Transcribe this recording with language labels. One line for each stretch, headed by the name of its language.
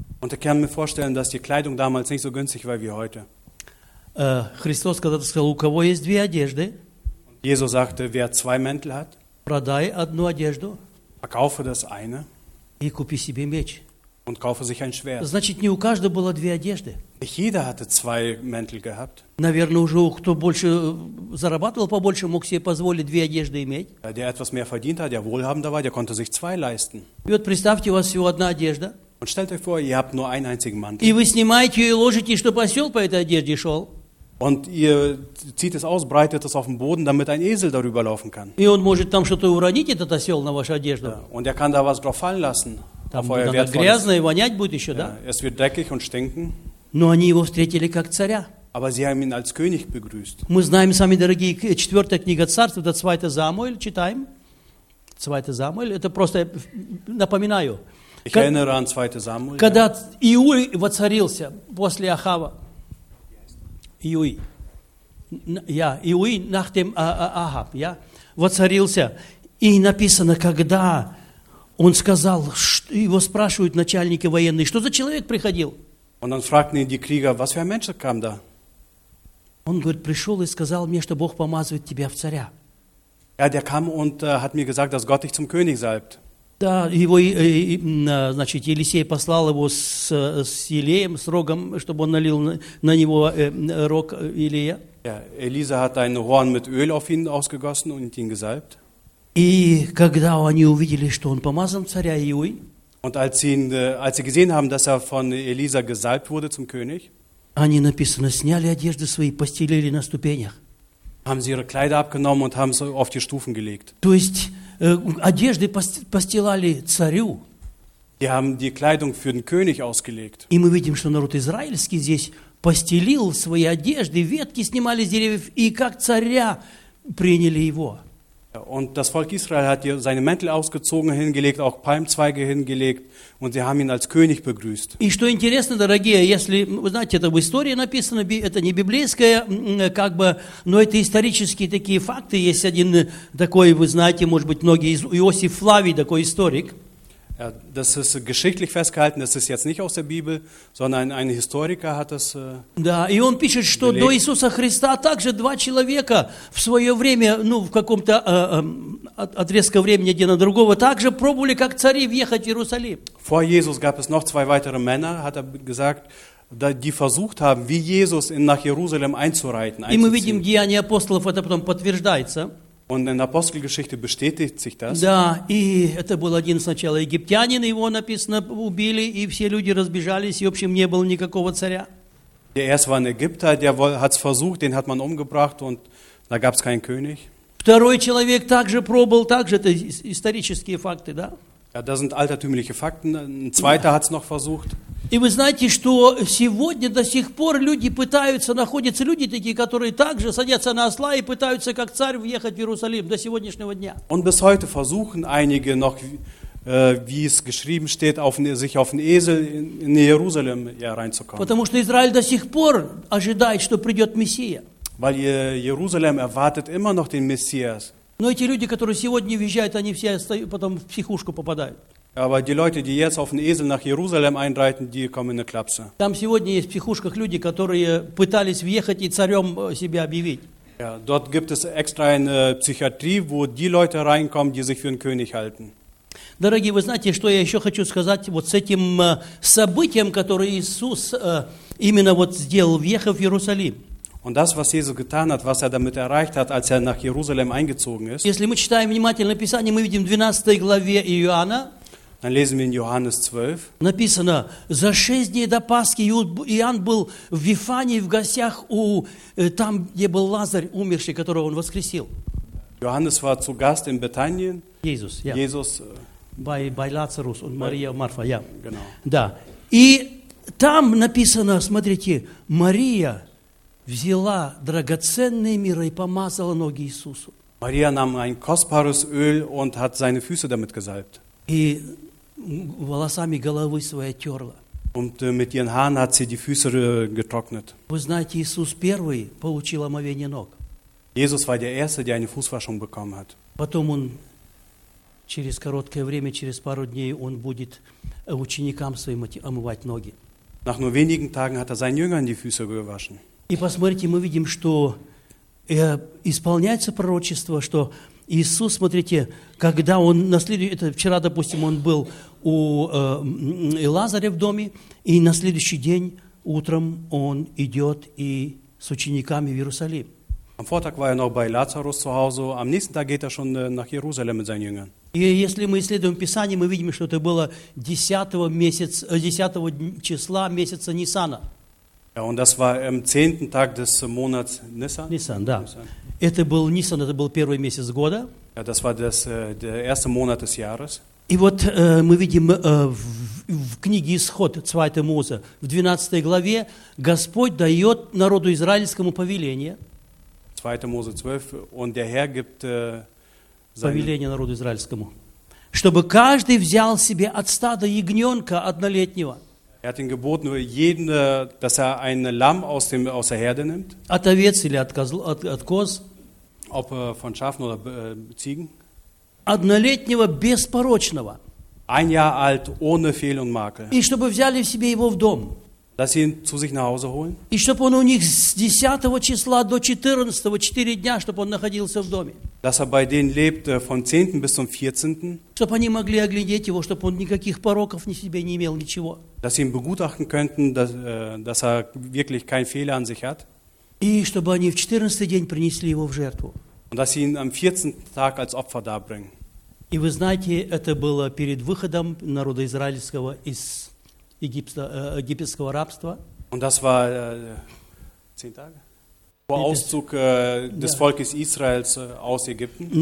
German: Und ich kann mir vorstellen, dass die Kleidung damals nicht so günstig war wie heute.
Russian: Христос когда-то сказал, у кого есть две одежды?
German: Jesus sagte, wer zwei Mäntel hat,
Russian: продай одну одежду,
German: verkaufe das eine,
Russian: и купи себе меч.
German: Und kaufe sich ein Schwert.
Russian: Значит, не у каждого было две одежды.
German: Jeder hatte zwei Mäntel gehabt.
Russian: Наверное, уже кто больше зарабатывал побольше, мог себе позволить две одежды иметь.
German: Der etwas mehr verdient hat, der wohlhabender war, der konnte sich zwei leisten.
Russian: И вот представьте, у вас всего одна одежда.
German: Und stellt euch vor, ihr habt nur einen einzigen Mantel.
Russian: И вы снимаете ее и ложите, чтобы осел по этой одежде шел.
German: Und ihr zieht es aus, breitet es auf den Boden, damit ein Esel darüber laufen kann.
Russian: И он может там что-то уронить, этот осел, на вашу одежду.
German: Ja. Und er kann da was drauf fallen lassen.
Russian: Там будет грязно и вонять будет еще, да?
German: Es wird dreckig und stinken.
Russian: Но они его встретили как царя.
German: Aber sie haben ihn als König begrüßt.
Russian: Мы знаем сами, дорогие, 4 книга царств, это 2 Самуэль, читаем. 2 Самуэль, это просто напоминаю.
German: Ich erinnere an 2 Самуэль.
Russian: Когда Иуй воцарился после Ахава. Иуй. Я, Иуй,
German: nach dem
Russian: Ахав, я, воцарился. И написано, когда... Он сказал, что, его спрашивают начальники военные, что за человек приходил?
German: Und dann fragten ihn die Krieger, was für ein Mensch kam da?
Russian: Он говорит, пришел и сказал мне, что Бог помазывает тебя в царя.
German: Ja, der kam und hat mir gesagt, dass Gott dich zum König salbt.
Russian: Да, его, значит, Елисей послал его с Елеем, с рогом, чтобы он налил на него рог Елея.
German: Ja, Elisa hat ein Horn mit Öl auf ihn ausgegossen und ihn gesalbt.
Russian: И когда они увидели, что он помазан царя Иуи,
German: Und als sie gesehen haben, dass er von Elisa gesalbt wurde zum König,
Russian: они написано сняли одежды свои, постелили на ступенях.
German: Haben sie ihre Kleider abgenommen und haben sie auf die Stufen gelegt.
Russian: То есть одежды постилали царю.
German: Die haben die Kleidung für den König ausgelegt.
Russian: И мы видим, что народ израильский здесь постелил свои одежды, ветки снимали с деревьев и как царя приняли его.
German: Und das Volk Israel hat seine Mäntel ausgezogen, hingelegt, auch Palmzweige hingelegt, und sie haben ihn als König begrüßt.
Russian: И что интересно, дорогие, если вы знаете, это в истории написано, это не библейское, как бы, но это исторические такие факты. Есть один такой, вы знаете, может быть, многие из Иосиф Флавий, такой историк.
German: Ja, das ist geschichtlich festgehalten, das ist jetzt nicht aus der Bibel, sondern ein Historiker hat das
Russian: Да, и он пишет, что до Иисуса Христа также два человека в свое время, ну, в каком-то отрезке времени один на другого, также пробовали, как цари, въехать в Иерусалим.
German: Vor Jesus gab es noch zwei weitere Männer, hat gesagt, die versucht haben, wie Jesus nach Jerusalem einzureiten.
Russian: И мы видим, Деяния апостолов это потом подтверждается.
German: Und in der Apostelgeschichte bestätigt sich das.
Russian: Да, и это был один сначала египтянин, его написано убили, и все люди разбежались, и в общем не было никакого царя.
German: Der erste war ein Ägypter, der hat's versucht, den hat man umgebracht und da gab's keinen König.
Russian: Второй человек также пробовал, также это исторические факты, да?
German: Ja, das sind altertümliche Fakten. Ein zweiter hat's noch versucht.
Russian: И вы знаете, что сегодня до сих пор люди пытаются, находятся люди такие, которые также садятся на осла и пытаются как царь въехать в Иерусалим до сегодняшнего дня.
German: Und bis heute versuchen einige noch, wie es geschrieben steht, sich auf einen Esel in Jerusalem reinzukommen.
Russian: Потому что Израиль до сих пор ожидает, что придет Мессия.
German: Weil Jerusalem erwartet immer noch den Messias.
Russian: Но эти люди, которые сегодня въезжают, они все потом в психушку попадают.
German: Aber die Leute, die jetzt auf den Esel nach Jerusalem einreiten, die kommen in eine Klapse.
Russian: Там сегодня есть в психушках люди, которые пытались въехать и царем себя объявить.
German: Ja, dort gibt es extra eine Psychiatrie, wo die Leute reinkommen, die sich für einen König halten.
Russian: Дорогие, вы знаете, что я еще хочу сказать вот с этим событием, которое Иисус именно вот сделал, въехав в Иерусалим.
German: Und das, was Jesus getan hat, was er damit erreicht hat, als er nach Jerusalem eingezogen ist.
Russian: Если мы читаем внимательно Писание, мы видим в 12 главе Иоанна.
German: Dann lesen wir in Johannes 12.
Russian: Написано, за шесть дней до Пасхи Иоанн был в Вифании, в гостях у там, где был Лазарь, умерший, которого он воскресил.
German: Johannes war zu Gast in Bethanien. Jesus, ja. Jesus. Bei Lazarus und Maria und Martha, ja. Genau.
Russian: Да. И там написано, смотрите, Мария взяла драгоценные мира и помазала ноги Иисусу.
German: Maria nahm ein kostbares Öl und hat seine Füße damit gesalbt.
Russian: И волосами головы своей оттерла.
German: Und mit ihren Haaren hat sie die Füße getrocknet.
Russian: Вы знаете, Иисус первый получил омовение ног.
German: Jesus war der Erste, der eine Fußwaschung bekommen hat.
Russian: Потом он через короткое время, через пару дней, он будет ученикам своим омывать ноги.
German: Nach nur wenigen Tagen hat seinen Jüngern die Füße gewaschen.
Russian: И посмотрите, мы видим, что исполняется пророчество, что Иисус, смотрите, когда он на следующий, это вчера, допустим, он был у Лазаря в доме, и на следующий день утром он идет и с учениками в Иерусалим.
German: Am Vortag war noch bei Lazarus zu Hause, am nächsten Tag geht schon nach Jerusalem mit seinen Jüngern.
Russian: И если мы исследуем Писание, мы видим, что это было 10 числа месяца Нисана.
German: Ja, und das war am 10. Tag des Monats Nisan.
Russian: Nisan, да. Nisan. Это был Нисан, это был первый месяц года.
German: Ja, das war der erste Monat des Jahres.
Russian: И вот мы видим в книге Исход, 2 Моза, в 12 главе, Господь дает народу израильскому повеление.
German: 2 Mose 12, und der Herr gibt
Russian: повеление народу израильскому. Чтобы каждый взял себе от стада ягненка однолетнего.
German: Er hat ihn geboten, jeden, dass er ein Lamm aus der Herde nimmt.
Russian: От овец или от коз.
German: Ob von Schafen oder Ziegen.
Russian: Однолетнего беспорочного.
German: Ein Jahr alt, ohne Fehl und Makel.
Russian: И чтобы взяли себе его в дом.
German: Dass sie ihn zu sich nach Hause holen.
Russian: И чтобы он у них с 10 числа до 14, 4 дня, чтобы он находился в доме.
German: Dass er bei denen lebt von 10. bis zum 14.
Russian: Чтобы они могли оглядеть его, чтобы он никаких пороков ни себе не имел, ничего.
German: Dass sie ihn begutachten könnten, dass er wirklich keinen Fehler an sich hat.
Russian: И чтобы они в 14 день принесли его в жертву.
German: Und dass sie ihn am 14. Tag als Opfer darbringen.
Russian: И вы знаете, это было перед выходом народа израильского из Египта, египетского рабства.
German: Und das war 10 Tage. Vor Auszug des Volkes Israels aus Ägypten.